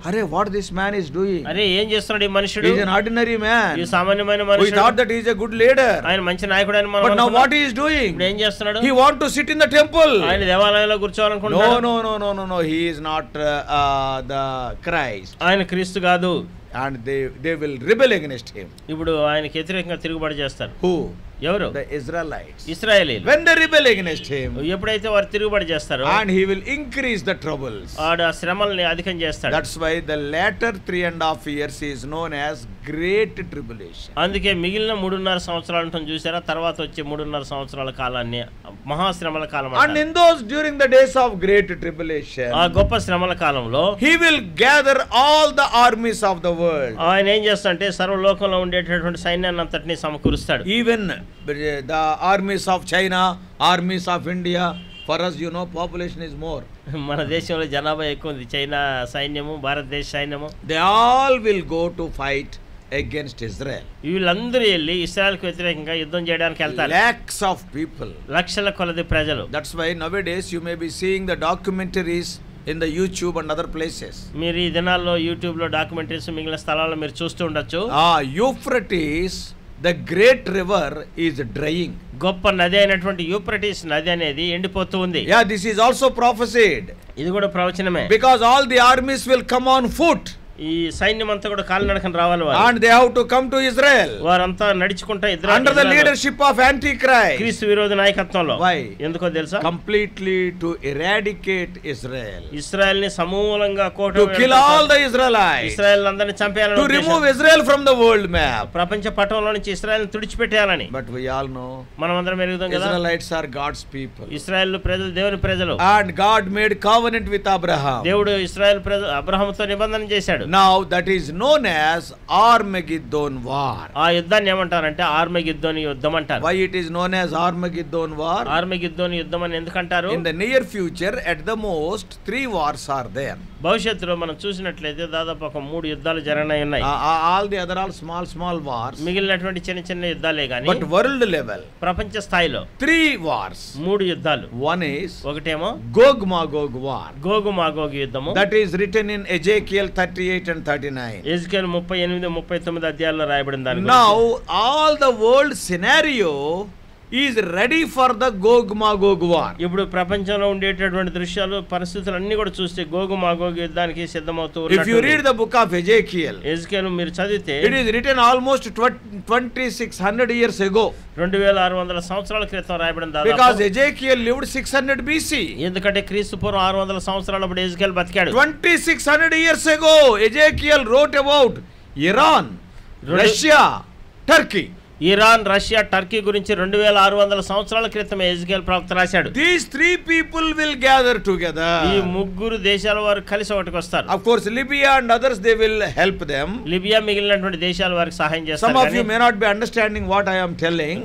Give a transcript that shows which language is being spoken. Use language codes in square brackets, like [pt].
[en] అరే what this man is doing. [te] అరే ఏం చేస్తున్నాడు ఈ మనిషి. [en] Is an ordinary man. [te] ఈ సామాన్యమైన మనిషి. [en] We thought that is a good leader. [te] ఆయన మంచి నాయకుడు అని మనం. [en] But now what is doing. [te] ఇప్పుడు ఏం చేస్తున్నాడు? [en] He want to sit in the temple. [te] ఆయన దేవాలయంలో కూర్చోవాలనుకుంటున్నాడు. [en] No no no no no no he is not the Christ. [te] ఆయన క్రీస్తు కాదు. [en] And they will rebel against him. [te] ఇప్పుడు ఆయనకి వ్యతిరేకంగా తిరుగుబాటు చేస్తారు. [en] Who? [te] ఎవరు? [en] The Israelites. [te] ఇశ్రాయేలీయులు. [en] When they rebel against him, [te] ఎప్పుడైతే వారు తిరుగుబాటు చేస్తారు, [en] and he will increase the troubles. [te] ఆడ శ్రమల్ని అధికం చేస్తాడు. [en] That's why the latter 3.5 years is known as great tribulation. [te] అందుకే మిగిలిన 3.5 సంవత్సరాలు అంటే చూసారా, తర్వాత వచ్చే 3.5 సంవత్సరాల కాలాన్ని మహాశ్రమల కాలం. [en] And in those during the days of great tribulation, [te] ఆ గొప్ప శ్రమల కాలంలో, [en] he will gather all the armies of the world. [te] ఆయన ఏం చేస్తాడంటే సర్వలోకంలో ఉండేటటువంటి సైన్యాన్ని అంతటిని సమకూరుస్తాడు. [en] Even the armies of China, armies of India, for us you know population is more. [te] మన దేశంలో జనాభా ఎక్కువ ఉంది. చైనా సైన్యము, భారతదేశ సైన్యము, [en] they all will go to fight against Israel. [te] వీళ్ళందరూ వెళ్ళి ఇస్రాయల్కి వ్యతిరేకంగా యుద్ధం చేయడానికి వెళ్తారు. [en] Lakhs of people, [te] లక్షల కొలది ప్రజలు. [en] That's why nowadays you may be seeing the documentaries in the YouTube and other places. [te] మీరు ఈ దినాల్లో యూట్యూబ్ లో డాక్యుమెంటరీస్ మిగిలిన స్థలాల్లో మీరు చూస్తూ ఉండొచ్చు. [en] Euphrates, the great river, is drying. [te] గొప్ప నది అయినటువంటి యూఫ్రటీస్ నది అనేది ఎండిపోతుంది. [en] Yeah, this is also prophesied. [te] ఇది కూడా ప్రవచనమే. [en] Because all the armies will come on foot. [te] ఈ సైన్యం అంతా కూడా కాలినడకన రావాలి వారు. [en] And they have to come to Israel. [te] వారంతా నడుచుకుంటా ఇద్దరు [en] under the leadership of Antichrist. [te] క్రీస్తు విరోధ నాయకత్వంలో. [en] Why? [te] ఎందుకో తెలుసా? [en] Completely to eradicate Israel. [te] Israel ని సమూలంగా కోట [en] to kill all the Israelites. [te] Israel అందరిని చంపేయాలని. [en] To remove Israel from the world map. [te] ప్రపంచ పటంలో నుంచి ఇశ్రాయేల్ ని తుడిచిపెట్టాలని. [en] But we all know. [te] మనమందరం ఎరుగుదాం కదా. [en] Israelites are God's people. [te] Israel ప్రజలు దేవుని ప్రజలు. [en] And God made covenant with Abraham. [te] దేవుడు ఇశ్రాయేల్ ప్రజలు అబ్రహాముతో నిబంధన చేశాడు. [en] Now that is known as Armageddon war. [te] ఆ యుద్ధాన్ని ఏమంటారంటే ఆర్మగిద్దోన్ యుద్ధం అంటారు. [en] Why it is known as Armageddon war? [te] ఆర్మగిద్దోన్ యుద్ధం అని ఎందుకు అంటారు? [en] In the near future at the most 3 wars are there. [te] భవిష్యత్తులో మనం చూసినట్లయితే దాదాపు ఒక 3 యుద్ధాలు జరగనై ఉన్నాయి. [en] All the other all small wars. [te] మిగిలినటువంటి చిన్న చిన్న యుద్ధాలే గాని. [en] But world level. [te] ప్రపంచ స్థాయిలో. [en] 3 wars. [te] 3 యుద్ధాలు. [en] One is. [te] ఒకటేమో. [en] Gog Magog war. [te] గోగ్ మాగోగ్ యుద్ధము. [en] That is written in Ezekiel 38 and 39. [te] Ezekiel 38-39 అధ్యాయాల్లో రాయబడిన దాని. [en] Now all the world scenario is ready for the Gog Magog war. [te] ఇప్పుడు ప్రపంచంలో ఉండేటటువంటి దృశ్యాలు పరిస్థితులు అన్ని కూడా చూస్తే గోగ్ మాగోగ్ యుద్ధానికి సిద్ధమవుతూ ఉన్నారు. [en] If you read the book of Ezekiel, [te] Ezekiel మీరు చదివితే, [en] it is written almost 2600 years ago. [te] 2600 సంవత్సరాల క్రితం రాయబడిన దాదాపు. [en] Because Ezekiel lived 600 BC. [te] ఎందుకంటే క్రీస్తు పూర్వం 600 సంవత్సరాలు అప్పుడు Ezekiel బతికాడు. [en] 2600 years ago Ezekiel wrote about Iran, Russia, Turkey. [te] Iran, Russia, Turkey గురించి 2600 సంవత్సరాల క్రితమే ఎజికేల్ ప్రవక్త రాశాడు. [en] These 3 people will gather together. [te] ఈ 3 దేశాల వారు కలిసి ఒకటికి వస్తారు. [en] Of course Libya and others they will help them. [te] Libya మిగిలినటువంటి దేశాల వారికి సహాయం చేస్తారు. [en] Some of you may not be understanding what I am telling.